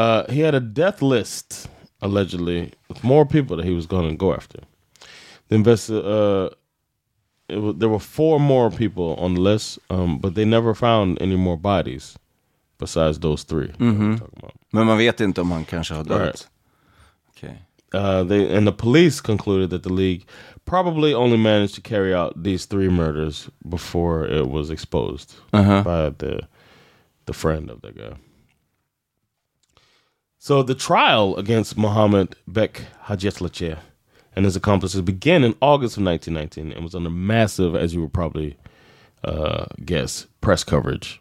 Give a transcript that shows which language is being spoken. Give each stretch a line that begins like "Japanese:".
English: He had a death list, allegedly, with more people that he was going to go after. There were four more people on the list, but they never found any more bodies besides those three. Mm-hmm.
Swedish: Men man vet inte om han kanske har dött.
English: Okay. And the police concluded that the league probably only managed to carry out these three murders before it was exposed by the friend of the guy. So the trial against Mohammed Bek Hadjetlachir and his accomplices began in August of 1919 and was under massive, as you would probably guess, press coverage.